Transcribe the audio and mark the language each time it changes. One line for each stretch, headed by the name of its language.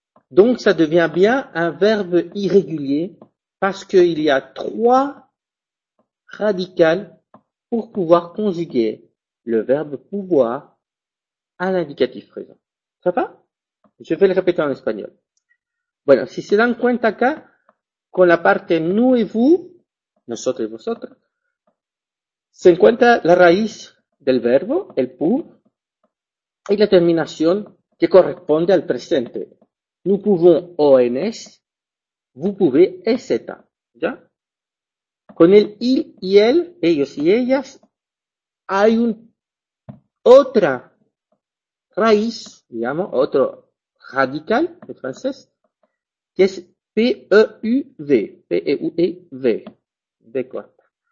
French: Donc ça devient bien un verbe irrégulier parce qu'il y a trois radicales pour pouvoir conjuguer le verbe pouvoir à l'indicatif présent. Ça va? Je vais le répéter en espagnol.
Spanish: Bueno, si se dan cuenta acá, con la parte
French: nous et vous,
Spanish: nosotros y vosotros, se encuentra la raíz del verbo, el pour, y la terminación que corresponde al presente.
French: Nous pouvons ONS, vous pouvez, etc.
Spanish: ¿Ya? Con el il y el, ellos y ellas, hay un otra raíz, digamos, otro radical en francés, que es P-E-U-V, P-E-U-E-V, V corta.